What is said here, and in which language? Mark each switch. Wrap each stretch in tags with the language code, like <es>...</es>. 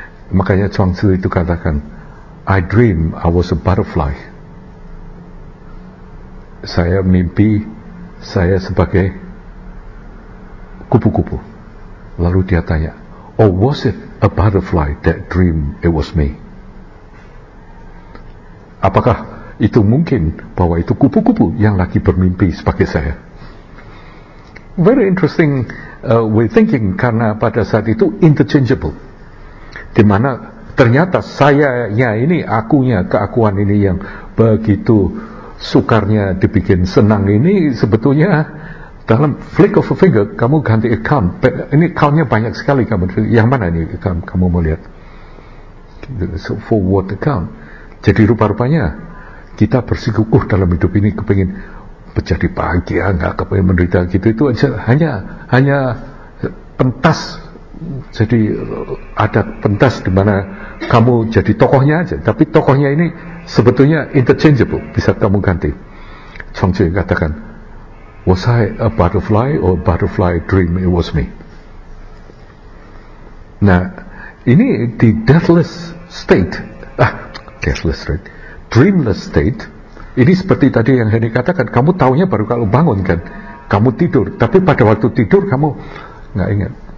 <id>Makanya Chuang Tzu itu katakan,</id> <en>I dream I was a butterfly.</en> <id>Saya mimpi saya sebagai kupu-kupu. Lalu dia tanya,</id> <en>oh, was it a butterfly that dream it was me?</en> <id>Apakah itu mungkin bahwa itu kupu-kupu yang lagi bermimpi sebagai saya?</id> <en>Very interesting way thinking,</en> <id>karena pada saat itu</id> <en>interchangeable.</en> <id>Di mana ternyata sayanya ini, akunya, keakuan ini yang begitu sukarnya dibikin senang ini, sebetulnya dalam</id> <en>flick of a finger</en> <id>kamu ganti account. Ini accountnya banyak sekali kamu. Yang mana ini account kamu mau lihat?</id> <en>So, for what account?</en> <id>Jadi rupa-rupanya kita bersikukuh dalam hidup ini kepingin menjadi bahagia, enggak kepengen menderita gitu, itu aja, hanya pentas. Jadi ada pentas di mana kamu jadi tokohnya aja, tapi tokohnya ini sebetulnya interchangeable, bisa kamu ganti.</id> <en>Chong Chui</en> <id>katakan,</id> <en>was I a butterfly or a butterfly dream? It was me.</en> <id>Nah, ini di</id> <en>deathless state, deathless state, dreamless state,</en> <id>ini seperti tadi yang Henry katakan, kamu taunya baru kalau bangun kan, kamu tidur, tapi pada waktu tidur kamu nggak ingat.</id>